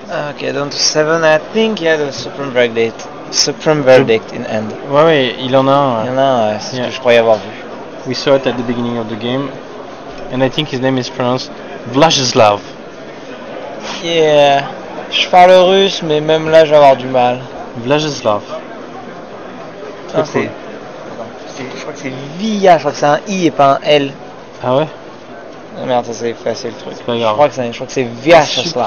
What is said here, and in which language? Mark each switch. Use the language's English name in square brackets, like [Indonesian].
[English] Ok, down to 7, I think he had a Supreme Verdict. Supreme Verdict in end. [French] Ouais, ouais, il en a un. Il en a un, c'est ce que je croyais avoir vu. [English] We saw it at the beginning of the game. And I think his name is pronounced Vlashislav. [French] Yeah, je parle le russe, mais même là, je vais avoir du mal. Vlashislav. Très cool. Je crois que c'est VIA, je crois que c'est un I et pas un L. Ah ouais? Merde, ça c'est facile le truc. Je crois que c'est via ce slap.